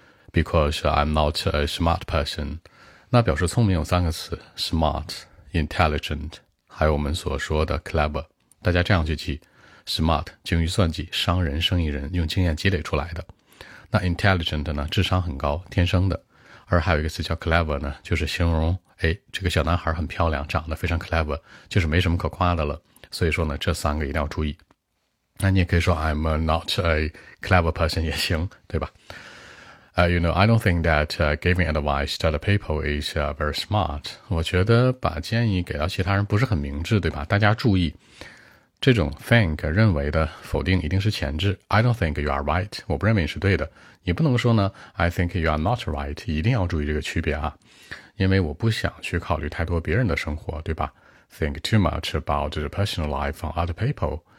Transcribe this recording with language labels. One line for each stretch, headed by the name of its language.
English: Because I'm not a smart person。
Chinese: 那表示聪明有三个词 smart, intelligent, 还有我们所说的 clever, 大家这样去记 smart, 精于算计，商人生意人，用经验积累出来的。那 intelligent 呢，智商很高，天生的。而还有一个词叫 clever 呢，就是形容诶这个小男孩很漂亮，长得非常 clever, 就是没什么可夸的了。所以说呢这三个一定要注意。那你也可以说
English: I'm not a clever person
Chinese: 也行，对吧？
English: You know, I don't think that giving advice to other people is very smart.
Chinese: 我觉得把建议给到其他人不是很明智，对吧？大家注意，这种 think 认为的否定一定是前置。
English: I don't think you are right.
Chinese: 我不认为你是对的。你不能说呢
English: ，I think you are not right.
Chinese: 一定要注意这个区别啊，因为我不想去考虑太多别人的生活，对吧 ？
English: Think too much about the personal life of other people.